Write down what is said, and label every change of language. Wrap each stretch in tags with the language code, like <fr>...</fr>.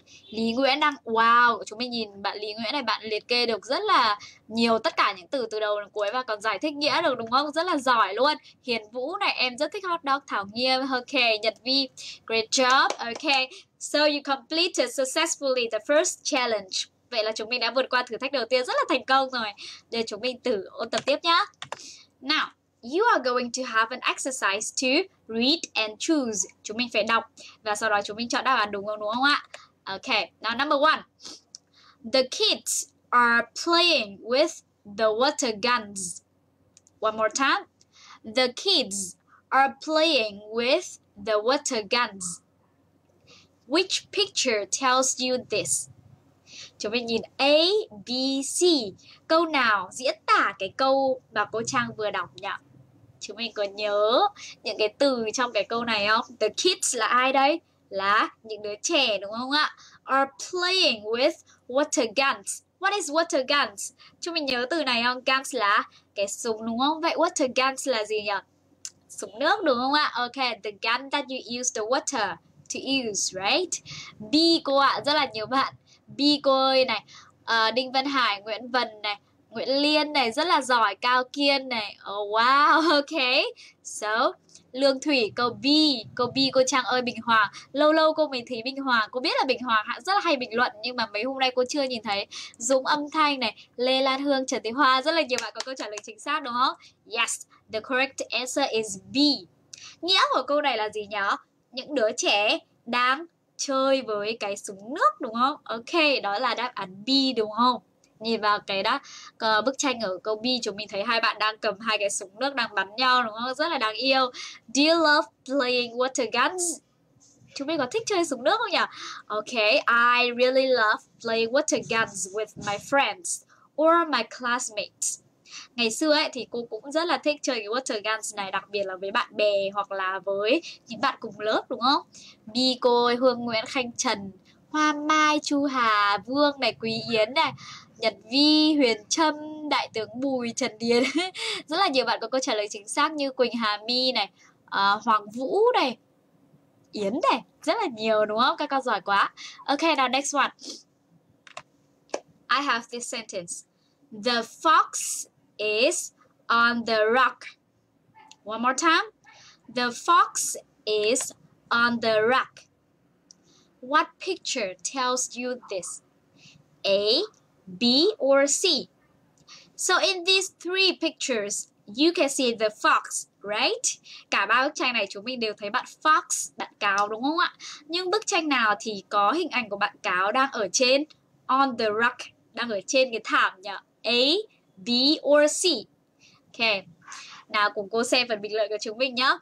<vi>Lý Nguyễn đang, wow, chúng mình nhìn bạn Lý Nguyễn này, bạn liệt kê được rất là nhiều tất cả những từ từ đầu đến cuối và còn giải thích nghĩa được đúng không? Rất là giỏi luôn. Hiền Vũ này, em rất thích hot dog. Thảo Nghiêm, ok, Nhật Vi,</vi> <en>great job,</en> <vi>ok.</vi> <en>So you completed successfully the first challenge.</en> <vi>Vậy là chúng mình đã vượt qua thử thách đầu tiên rất là thành công rồi. Để chúng mình thử ôn tập tiếp nhá.</vi> <en>Now, you are going to have an exercise to read and choose.</en> <vi>Chúng mình phải đọc và sau đó chúng mình chọn đáp án đúng không ạ?</vi> <en>Okay, now number one. The kids are playing with the water guns. One more time. The kids are playing with the water guns. Which picture tells you this?</en> <vi>Chúng mình nhìn A, B, C. Câu nào diễn tả cái câu mà cô Trang vừa đọc nhỉ? Chúng mình có nhớ những cái từ trong cái câu này không? The kids là ai đây? Là những đứa trẻ đúng không ạ?</vi> <en>Are playing with water guns. What is water guns?</en> <vi>Chúng mình nhớ từ này không? Guns là cái súng đúng không? Vậy water guns là gì nhỉ? Súng nước đúng không ạ?</vi> <en>Okay, the gun that you use the water to use, right?</en> <vi>B cô ạ, rất là nhiều bạn. B cô ơi này, Đinh Văn Hải, Nguyễn Vân này, Nguyễn Liên này, rất là giỏi, Cao Kiên này. Oh wow, okay. So, Lương Thủy, câu B, cô Trang ơi, Bình Hoàng. Lâu lâu cô mình thấy Bình Hoàng, cô biết là Bình Hoàng rất là hay bình luận, nhưng mà mấy hôm nay cô chưa nhìn thấy. Dũng Âm Thanh này, Lê Lan Hương, Trần Thị Hoa, rất là nhiều bạn có câu trả lời chính xác đúng không?</vi> <en>Yes, the correct answer is B.</en> <vi>Nghĩa của câu này là gì nhỉ? Những đứa trẻ đang chơi với cái súng nước đúng không? Okay, đó là đáp án B đúng không? Nhìn vào cái đó, bức tranh ở câu B, chúng mình thấy hai bạn đang cầm hai cái súng nước đang bắn nhau đúng không? Rất là đáng yêu.</vi> <en>Do you love playing water guns?</en> <vi>Chúng mình có thích chơi súng nước không nhỉ?</vi> <en>Okay, I really love playing water guns with my friends or my classmates.</en> <vi>Ngày xưa ấy thì cô cũng rất là thích chơi cái water guns này, đặc biệt là với bạn bè hoặc là với những bạn cùng lớp đúng không? B cô ơi, Hương Nguyễn, Khanh Trần, Hoa Mai, Chu Hà, Vương này, Quý Yến này, Nhật Vi, Huyền Trâm, Đại tướng Bùi, Trần Điền. Rất là nhiều bạn có câu trả lời chính xác như Quỳnh Hà My này, Hoàng Vũ này, Yến này. Rất là nhiều đúng không? Các con giỏi quá.</vi> <en>Ok, now next one. I have this sentence. The fox is on the rock. One more time. The fox is on the rock. What picture tells you this? A, B or C? So in these three pictures, you can see the fox, right?</en> <vi>Cả ba bức tranh này chúng mình đều thấy bạn fox, bạn cáo đúng không ạ? Nhưng bức tranh nào thì có hình ảnh của bạn cáo đang ở trên</vi> <en>on the rug,</en> <vi>đang ở trên cái thảm nhỉ?</vi> <en>A, B or C? Ok.</en> <vi>Nào cùng cô xem phần bình luận của chúng mình nhé.</vi>